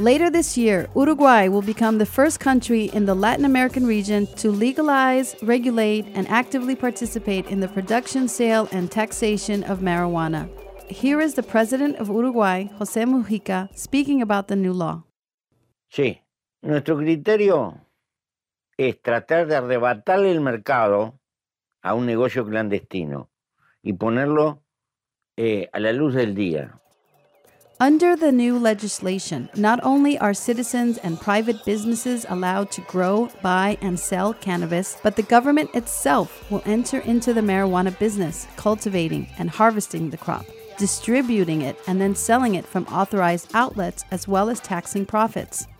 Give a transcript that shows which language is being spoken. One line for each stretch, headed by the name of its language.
English: Later this year, Uruguay will become the first country in the Latin American region to legalize, regulate, and actively participate in the production, sale, and taxation of marijuana. Here is the president of Uruguay, José Mujica, speaking about the new law.
Spanish: Sí, nuestro criterio es tratar de arrebatarle el mercado a un negocio clandestino y ponerlo a la luz del día.
English: Under the new legislation, not only are citizens and private businesses allowed to grow, buy, and sell cannabis, but the government itself will enter into the marijuana business, cultivating and harvesting the crop, distributing it, and then selling it from authorized outlets, as well as taxing profits.